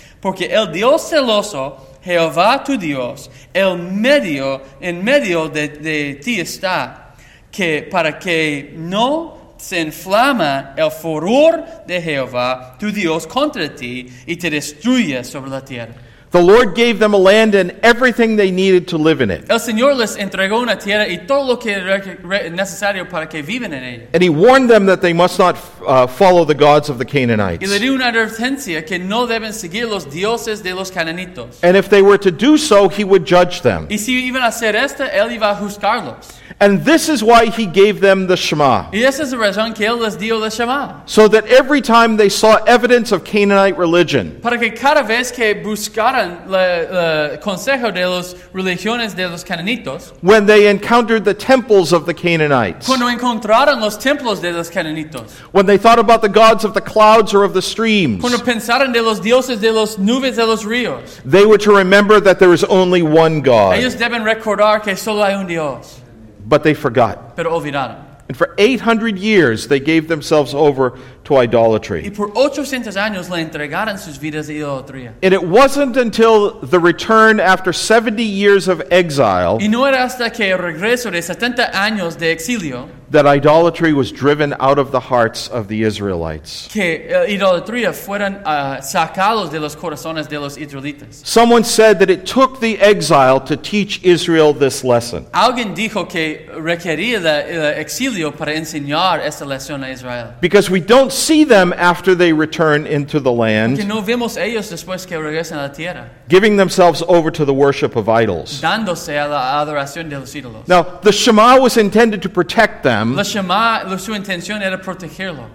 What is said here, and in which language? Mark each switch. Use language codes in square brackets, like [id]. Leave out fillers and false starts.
[es] Porque el Dios celoso, Jehová tu Dios, el medio, en medio de ti está, que para que no se inflama el furor de Jehová tu Dios contra ti y te destruya sobre la tierra. [en] The Lord gave them a land and everything they needed to live in it. [es] El Señor les entregó una tierra y todo lo que era necesario para que vivan en ella. [en] And he warned them that they must not follow the gods of the Canaanites. [es] Y le dio una advertencia que no deben seguir los dioses de los cananitos. [en] And if they were to do so, he would judge them. [es] Y si iban a hacer esto, él iba a juzgarlos. [en] And this is why he gave them the Shema. [es] Y esa es la razón que él les dio la Shema. [en] So that every time they saw evidence of Canaanite religion, [es] para que cada vez que buscaran el consejo de las religiones de los cananitos, [en] when they encountered the temples of the Canaanites, [es] cuando encontraron los templos de los cananitos, [en] when they thought about the gods of the clouds or of the streams, [es] cuando pensaron de los dioses de los nubes de los ríos, [en] they were to remember that there is only one God. [es] Ellos deben recordar que solo hay un Dios. [en] But they forgot. [es] Pero olvidaron. [en] And for 800 years, they gave themselves over to idolatry. [es] Y por 800 años le entregaron sus vidas a idolatría. [en] And it wasn't until the return after 70 years of exile, [es] y no era hasta que el regreso de 70 años de exilio, [en] that idolatry was driven out of the hearts of the Israelites. [es] Que idolatría fueron sacados de los corazones de los israelitas. [en] Someone said that it took the exile to teach Israel this lesson. [es] Alguien dijo que requería el exilio para enseñar esta lección a Israel. [en] Because we don't see them after they return into the land. [es] Porque no vemos ellos después que regresan a la tierra. [en] Giving themselves over to the worship of idols. [es] Dándose a la adoración de los ídolos. [en] Now, the Shema was intended to protect them. [es] Su intención era protegerlo.